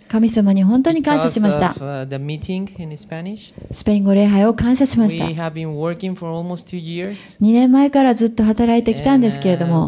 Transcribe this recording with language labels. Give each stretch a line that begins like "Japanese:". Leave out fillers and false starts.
Japanese: 神様に本当に感謝しました。
English: Because of the meeting in Spanish.
Japanese: スペイン語礼拝を感謝しました。
English: We have been working for almost two years.
Japanese: 2年前からずっと働いてきたんですけれども。